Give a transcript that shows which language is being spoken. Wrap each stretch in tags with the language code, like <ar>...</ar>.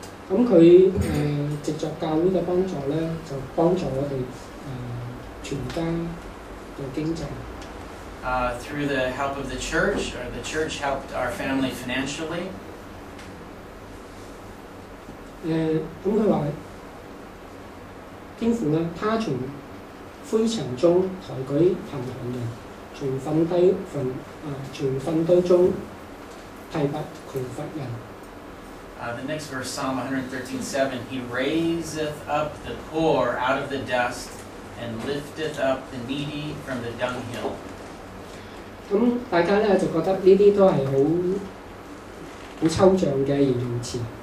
<yue>咁佢藉著教會嘅幫助咧，就幫助我哋全家嘅經濟。</yue> <en>Through the help of the church, or the church helped our family financially.</en> <yue>咁佢話天父咧，他從灰塵中抬舉貧窮人。從糞堆從從糞堆中提拔窮乏人。</yue> <en>The next verse, Psalm 113:7, He raiseth up the poor out of the dust and lifteth up the needy from the dunghill.</en> <yue>咁大家咧就覺得呢啲都係好好抽象嘅形容詞。</yue>